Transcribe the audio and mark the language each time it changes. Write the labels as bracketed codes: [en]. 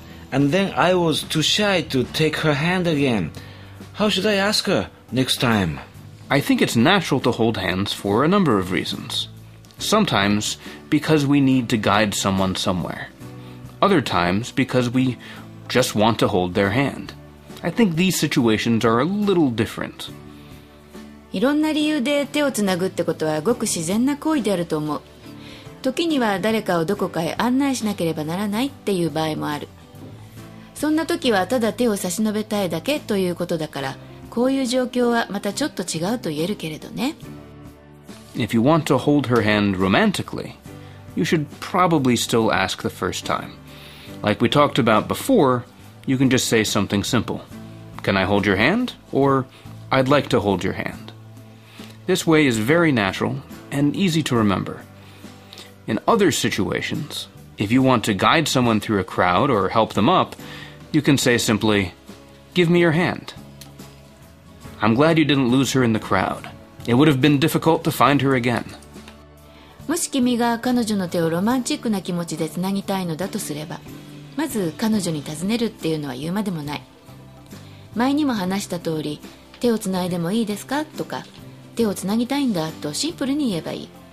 [en] And then I was too shy to take her hand againHow should I ask her next time? I think it's natural to hold hands for a number of reasons. Sometimes, because we need to guide someone somewhere. Other times, because we just want to hold their hand. I think these situations are a little different. [ja] いろんな理由で手をつなぐってことはごく自然な行為であると思う。時には誰かをどこかへ案内しなければならないっていう場合もある。そんな時はただ手を差し伸べたいだけということだから、こういう状況はまたちょっと違うと言えるけれどね。 [en] If you want to hold her hand romantically, you should probably still ask the first time. Like we talked about before, you can just say something simple. Can I hold your hand? Or I'd like to hold your hand. This way is very natural and easy to remember. In other situations, if you want to guide someone through a crowd or help them up,You can say simply, give me your hand. I'm glad you didn't lose her in the crowd. It would have been difficult to find her again. [ja] もし君が彼女の手をロマンチックな気持ちでつなぎたいのだとすれば、まず彼女に尋ねるっていうのは言うまでもない。前にも話した通り、手をつないでもいいですかとか、手をつなぎたいんだとシンプルに言えばいい。